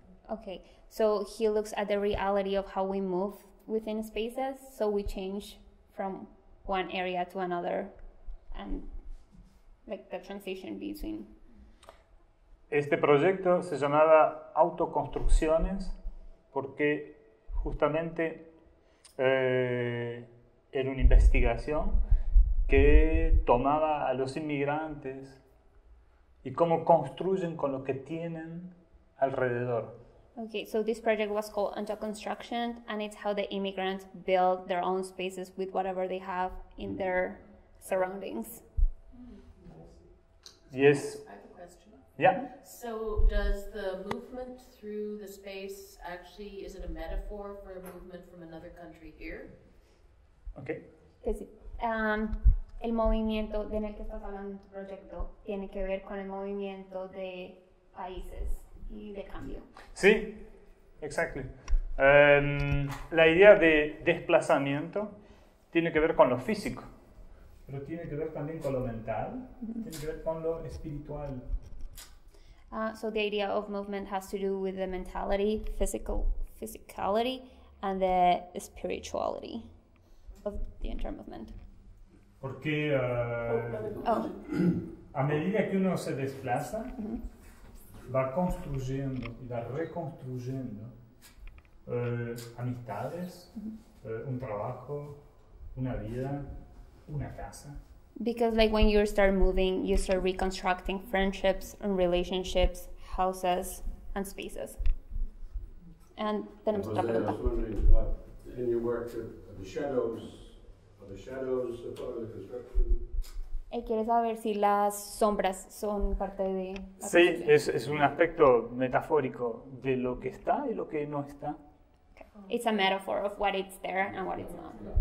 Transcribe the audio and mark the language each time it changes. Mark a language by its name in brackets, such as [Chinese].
[English] Okay, so he looks at the reality of how we move within spaces, so we change from one area to another, and like the transition between. [Spanish] Este proyecto se llamaba Autoconstrucciones porque justamente era una investigación que tomaba a los inmigrantes y cómo construyen con lo que tienen alrededor. [English] Okay, so this project was called Under Construction, and it's how the immigrants build their own spaces with whatever they have in their surroundings. Yes. I have a question. Yeah. So does the movement through the space actually, is it a metaphor for a movement from another country here? Okay. [Spanish] Es el movimiento en el que estás hablando tu proyecto tiene que ver con el movimiento de países. Sí, exacto. La idea de desplazamiento tiene que ver con lo físico. Pero tiene que ver también con lo mental, tiene que ver con lo espiritual. [English] So the idea of movement has to do with the mentality, physicality, and the spirituality of the entire movement. [Spanish] Porque a medida que uno se desplaza, va construyendo y va reconstruyendo amistades, un trabajo, una vida, una casa. [English] Because like when you start moving, you start reconstructing friendships and relationships, houses and spaces. And then I'm talking about. I was wondering what in your work are the shadows a part of the construction? [Spanish] ¿Quieres saber si las sombras son parte de la construcción? Sí, es un aspecto metafórico de lo que está y lo que no está. [English] Okay. It's a metaphor of what it's there and what it's not.